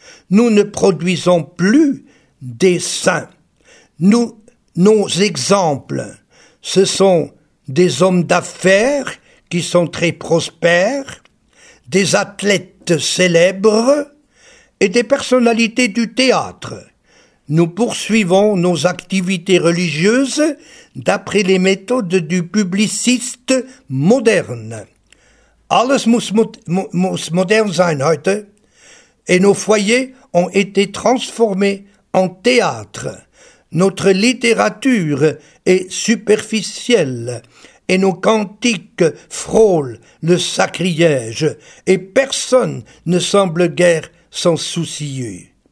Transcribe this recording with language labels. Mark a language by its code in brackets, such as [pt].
[fr] Nous ne produisons plus des saints. Nos exemples, ce sont des hommes d'affaires qui sont très prospères, des athlètes célèbres et des personnalités du théâtre. Nous poursuivons nos activités religieuses d'après les méthodes du publiciste moderne. [de] Alles muss modern sein heute. [fr] Et nos foyers ont été transformés en théâtre. Notre littérature est superficielle et nos cantiques frôlent le sacrilège et personne ne semble guère s'en soucier.